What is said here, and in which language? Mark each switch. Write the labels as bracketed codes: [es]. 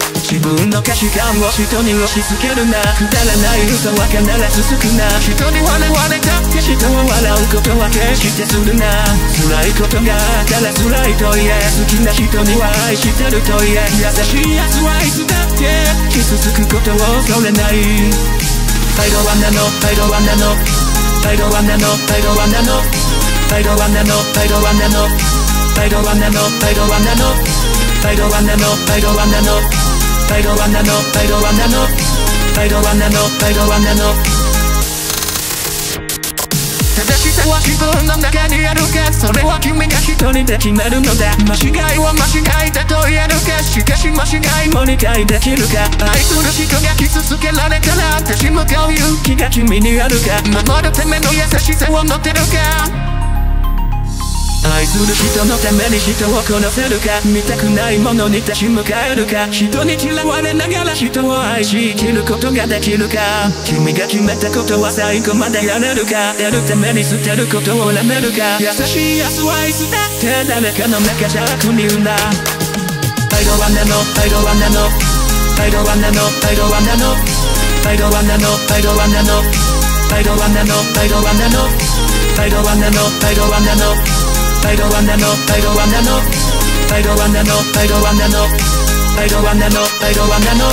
[ja] 自分の価値観を人に押し付けるな。くだらない嘘は必ず続くな。人に笑われたって人を笑うことは決してするな。辛いことがあったら辛いと言え、好きな人には愛してると言え、優しい奴はいつだって傷つくことを恐れない。 [en] I don't wanna know, I don't wanna know, I don't wanna know, I don't wanna know, I don't wanna know, I don't wanna know, I don't wanna know, I don't wanna know, I don't wanna know, I don't wanna knowI don't wanna know, I don't wanna know, I don't wanna know, I don't wanna know。 [ja] 正しさは自分の中にあるか、それは君が一人で決めるのだ。間違いは間違いだと言えるか、しかし間違いも理解できるか。愛する人が傷つけられたら立ち向かう勇気が君にあるか、守るための優しさを持てるか。愛する人のために人を殺せるか、見たくないものに立ち向かえるか、人に嫌われながら人を愛し生きることができるか、君が決めたことは最後までやれるか、出るために捨てることを恨めるか、優しい奴はいつだって誰かの中じゃ悪に言うな。 [en] I don't wanna know, I don't wanna know, I don't wanna know, I don't wanna know, I don't wanna know, I don't wanna know, I don't wanna know, I don't wanna know, I don't wanna know, I don't wanna knowI don't wanna know, I don't wanna know, I don't wanna know, I don't wanna know, I don't wanna